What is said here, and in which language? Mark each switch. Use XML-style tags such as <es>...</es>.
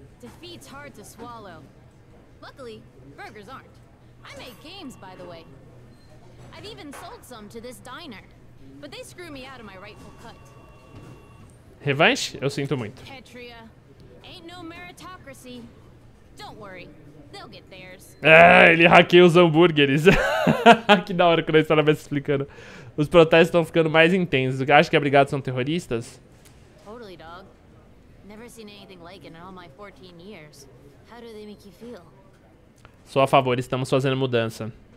<en>Defeat's hard to swallow. Luckily, burgers aren't. I make games, by the way. I've even sold some to this diner. But they screw me out of my rightful cut.</en> <pt>Revanche? Eu sinto muito.</pt> <en>Petria, ain't no meritocracy. Don't worry, they'll get theirs.</en> <pt>É, ele hackeia os hambúrgueres. Que da hora quando a história vai se explicando. Os protestos estão ficando mais intensos. Acho que a brigada são terroristas.</pt> <en>Totally, dog. Never seen anything like it in all my 14 years. How do they make you feel?</en> <pt>Sou a favor, estamos fazendo mudança.</pt>